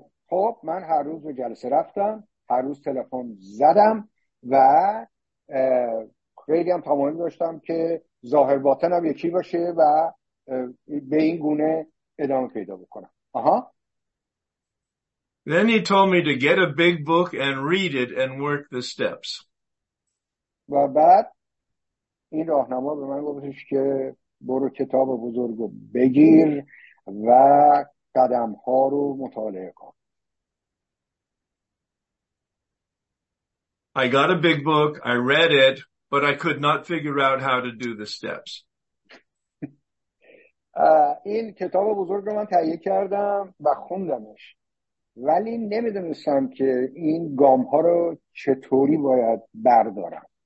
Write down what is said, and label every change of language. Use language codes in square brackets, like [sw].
[fa] خب من هر روز به جلسه رفتم، هر روز تلفن زدم و خیلی هم تمایل داشتم که ظاهر باطن هم یکی باشه و به این گونه ادامه پیدا بکنم. آها. [en] Then he told me to get a big book and read it and work the steps. [fa] و بعد این راهنما به من گفتش که برو کتاب بزرگو بگیر و قدم ها رو مطالعه کن. [en] I got a big book, I read it, but I could not figure out how to do the steps. [fa] این کتاب بزرگ رو من تهیه کردم و خوندمش. ولی نمیدونستم که این گام ها رو چطوری باید بردارم.